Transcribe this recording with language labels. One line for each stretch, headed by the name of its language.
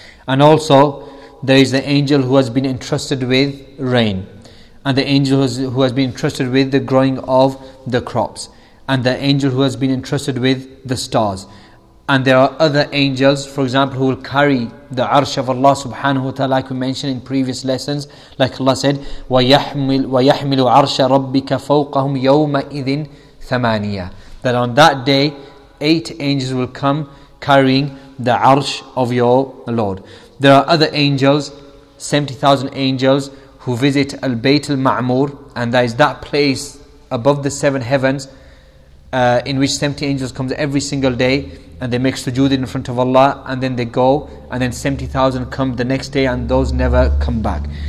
English: And also, there is the angel who has been entrusted with rain. And the angel who has been entrusted with the growing of the crops. And the angel who has been entrusted with the stars. And there are other angels, for example, who will carry the arsh of Allah subhanahu wa ta'ala, like we mentioned in previous lessons. Like Allah said,
Arabic: وَيَحْمِلُ عَرْشَ رَبِّكَ فَوْقَهُمْ يَوْمَئِذٍ ثَمَانِيَةٍ.
English: That on that day, eight angels will come carrying the arsh of your Lord. There are other angels, 70,000 angels, who visit al-Bayt al-Ma'mur, and that is that place above the seven heavens in which 70 angels come every single day, and they make sujood in front of Allah, and then they go, and then 70,000 come the next day, and those never come back.